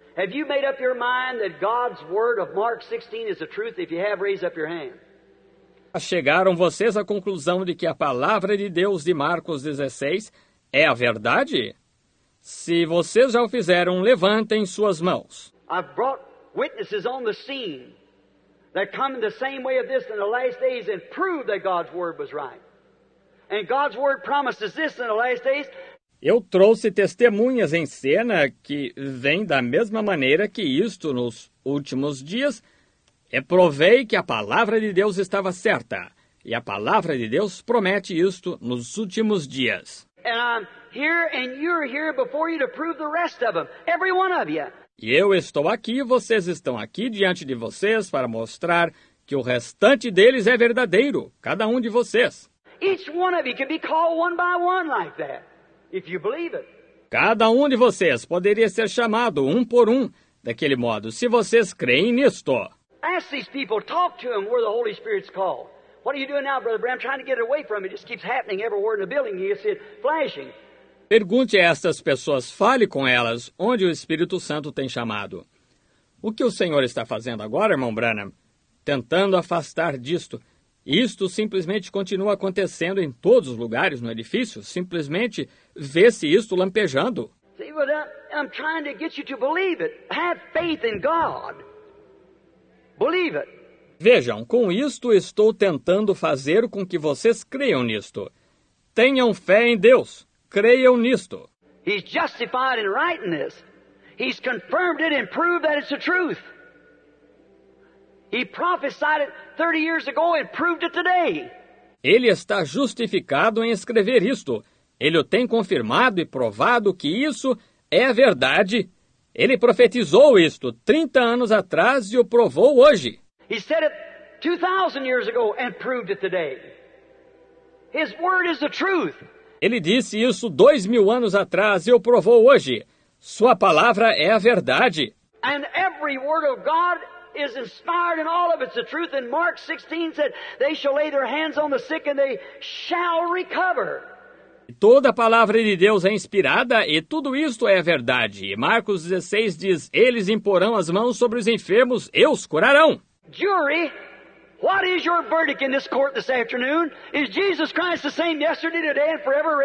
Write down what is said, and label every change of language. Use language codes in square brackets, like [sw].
[en] Have you made up your mind that God's word of Mark 16 is the truth? If you have, raise up your hand. [pt] Chegaram vocês à conclusão de que a palavra de Deus de Marcos 16 é a verdade? Se vocês já o fizeram, levantem suas mãos. [en] I've brought witnesses on the scene that come in the same way of this in the last days and prove that God's word was right. And God's word promises this in the last days. [pt] Eu trouxe testemunhas em cena que vêm da mesma maneira que isto nos últimos dias. E provei que a palavra de Deus estava certa. E a palavra de Deus promete isto nos últimos dias. [en] And I'm here and you're here before you to prove the rest of them. Every one of you. [pt] E eu estou aqui, vocês estão aqui diante de vocês para mostrar que o restante deles é verdadeiro, cada um de vocês. [en] Each one of you can be called one by one like that, if you believe it. [pt] Cada um de vocês poderia ser chamado um por um daquele modo, se vocês creem nisto. [en] Ask these people, talk to them where the Holy Spirit's called. What are you doing now, Brother Branham? Trying to get it away from me. It just keeps happening everywhere in the building. You see it flashing. [pt] Pergunte a estas pessoas, fale com elas, onde o Espírito Santo tem chamado. O que o Senhor está fazendo agora, irmão Branham? Tentando afastar disto. Isto simplesmente continua acontecendo em todos os lugares no edifício. Simplesmente vê-se isto lampejando. [en] See, but I'm trying to get you to believe it. Have faith in God. Believe it. [pt] Vejam, com isto estou tentando fazer com que vocês creiam nisto. Tenham fé em Deus. Creiam nisto. [en] He's justified in writing this. He's confirmed it and proved that it's the truth. He prophesied it 30 years ago and proved it today. [pt] Ele está justificado em escrever isto. Ele o tem confirmado e provado que isso é verdade. Ele profetizou isto 30 anos atrás e o provou hoje. [en] He said it 2,000 years ago and proved it today. His word is the truth. [pt] Ele disse isso 2,000 anos atrás e o provou hoje. Sua palavra é a verdade. [en] And every word of God is inspired and all of it's the truth. And Mark 16 said, they shall lay their hands on the sick and they shall recover. [pt] Toda a palavra de Deus é inspirada e tudo isto é verdade. E Marcos 16 diz, eles imporão as mãos sobre os enfermos e os curarão. [en] Jury, what is your verdict in this court this afternoon? Is Jesus Christ the same yesterday, today, and forever?